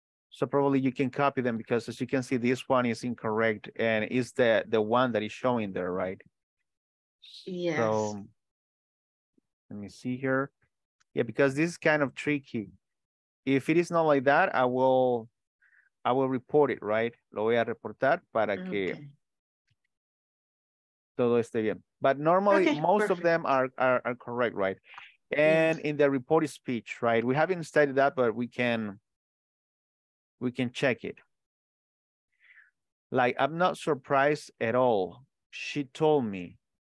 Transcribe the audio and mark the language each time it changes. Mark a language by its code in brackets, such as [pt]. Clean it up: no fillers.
[en] So probably you can copy them because as you can see, this one is incorrect and is the one that is showing there, right? Yes. So let me see here. Yeah, because this is kind of tricky. If it is not like that, I will report it, right? [es] Lo voy a reportar para que todo esté bien. [en] But normally, most of them are correct, right? And in the reported speech, right? We haven't studied that, but we can check it. Like, I'm not surprised at all. She told me.